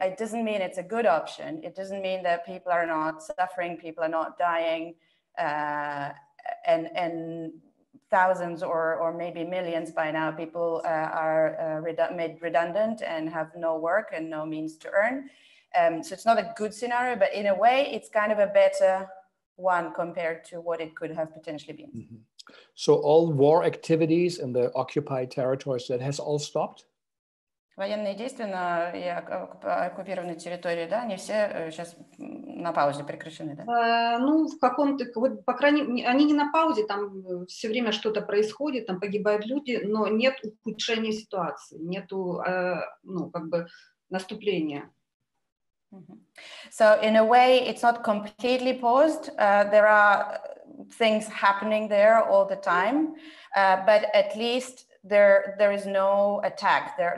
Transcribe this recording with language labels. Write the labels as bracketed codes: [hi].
[en] It doesn't mean it's a good option. It doesn't mean that people are not suffering, people are not dying, and thousands or maybe millions by now, people made redundant and have no work and no means to earn. So it's not a good scenario, but in a way, it's kind of a better one compared to what it could have potentially been. Mm-hmm. So all war activities in the occupied territories, that has all stopped? [ru] Военные действия на оккупированной территории, да, они все сейчас на паузе прекращены, да? Ну, в каком-то, вот, по крайней мере, они не на паузе, там все время что-то происходит, там погибают люди, но нет ухудшения ситуации, нету, ну, как бы, наступления. [en] So in a way, it's not completely paused. There are things happening there all the time, but at least there is no attack.